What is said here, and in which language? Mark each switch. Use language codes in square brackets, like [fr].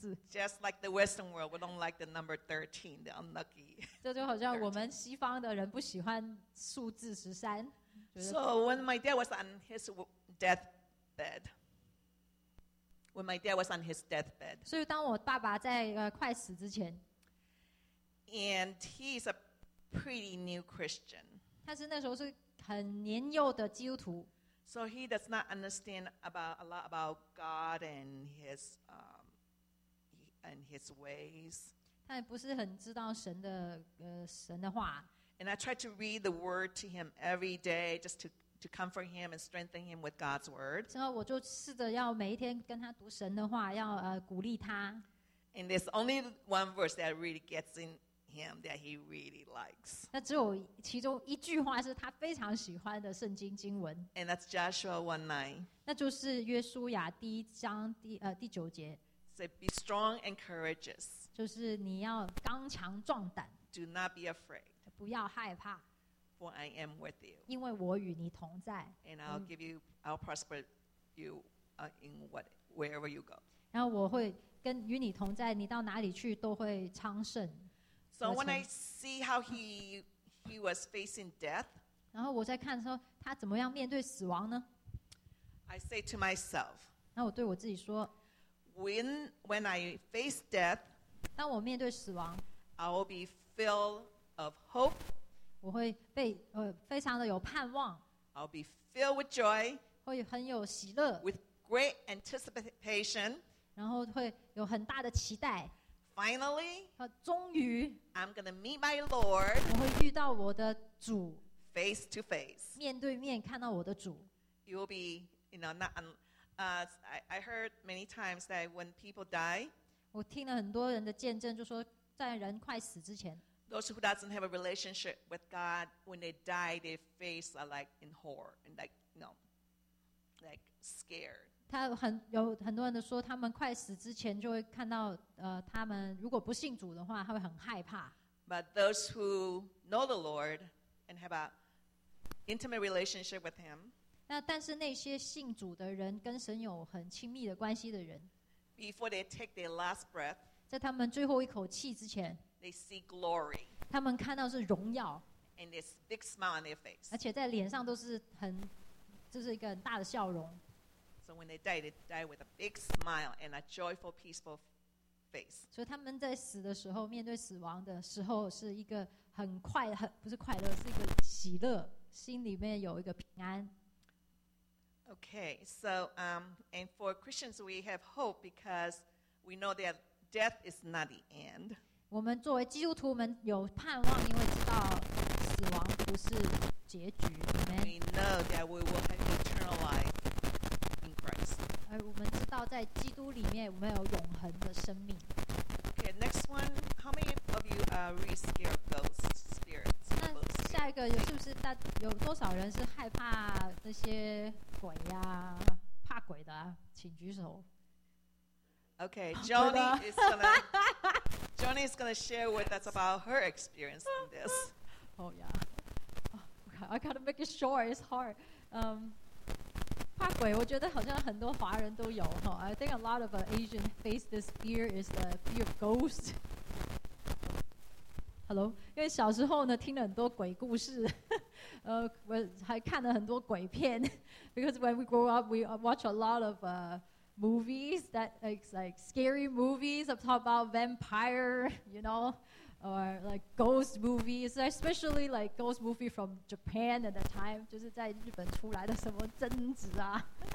[en] Just like the Western world, we don't like the number 13, the unlucky. [zh] 这就好像我们西方的人不喜欢数字十三。 [en] So when my dad was on his deathbed, So [zh] 当我爸爸在快死之前 [en] ，and he's a pretty new Christian. [zh] 他是那时候是很年幼的基督徒 [en] ，so he does not understand about a lot about God and his and his ways. [zh] 他也不是很知道神的神的话。 [en] And I try to read the word to him every day, just to comfort him and strengthen him with God's word. [zh] 然后我就试着要每一天跟他读神的话，要鼓励他。 [en] And there's only one verse that really gets in. Him that he really likes. [zh] 那只有其中一句话是他非常喜欢的圣经经文。 [en] And that's Joshua 1:9. [zh] 那就是约书亚第一章第九节。 [en] So be strong and courageous. [zh] 就是你要刚强壮胆。 [en] Do not be afraid. [zh] 不要害怕。 [en] For I am with you. [zh] 因为我与你同在。 [en] And I'll give you, I'll prosper you in what wherever you go. [zh] 然后我会跟与你同在，你到哪里去都会昌盛。 [en] So when I see how he was facing death, [zh] 然后我在看说他怎么样面对死亡呢 [en] ？I say to myself, [zh] 那我对我自己说 [en] ，When I face death, [zh] 当我面对死亡 [en] ，I will be filled of hope, [zh] 我会被非常的有盼望 [en] I'll be filled with joy. [zh] 会很有喜乐。 [en] With great anticipation. [zh] 然后会有很大的期待。 [en] Finally, [zh] 终于 [en] I'm going to meet my Lord. [zh] 我会遇到我的主。 [en] Face to face. [zh] 面对面看到我的主。 [en] You will be, you know, not unI heard many times that when people die, [zh] 我听了很多人的见证，就说在人快死之前 [en] ，those who doesn't have a relationship with God, when they die, their face are like in horror and like, you know, like scared. [zh] 他很有很多人的说，他们快死之前就会看到，他们如果不信主的话，他会很害怕。 [en] But those who know the Lord and have a intimate relationship with Him. [zh] 那但是那些信主的人跟神有很亲密的关系的人 [en] Before they take their last breath, [zh] 在他们最后一口气之前 [en] they see glory, [zh] 他们看到是荣耀 [en] and this big smile on their face. [zh] 而且在脸上都是很就是一个很大的笑容 [en] So when they die with a big smile and a joyful, peaceful face. [zh] 所以他们在死的时候面对死亡的时候是一个很快很不是快乐是一个喜乐心里面有一个平安 [en] Okay, so, and for Christians, we have hope because we know that death is not the end. [zh] 我们作为基督徒们有盼望，因为知道死亡不是结局。 [en] We know that we will have eternal life in Christ. [zh] 而我们知道在基督里面我们有永恒的生命。 [en] Okay, next one, how many of you are really scared of ghosts? [zh] 下一个是不是有多少人是害怕那些鬼呀、啊？怕鬼的、啊，请举手。 [en] Okay, Johnny is gonna Johnny is gonna share with us about her experience in this. Oh yeah. Okay, I gotta make it short. It's hard. [zh] 怕鬼，我觉得好像很多华人都有哈。 [en] I think a lot of Asian face this fear is the fear of ghost. [zh] Hello, 因为小时候呢听了很多鬼故事，我还看了很多鬼片。 [en] Because when we grow up, we watch a lot of movies that like scary movies that talk about vampire, you know, or like ghost movies, especially like ghost movie from Japan at the time, [zh] 就是在日本出来的什么贞子啊。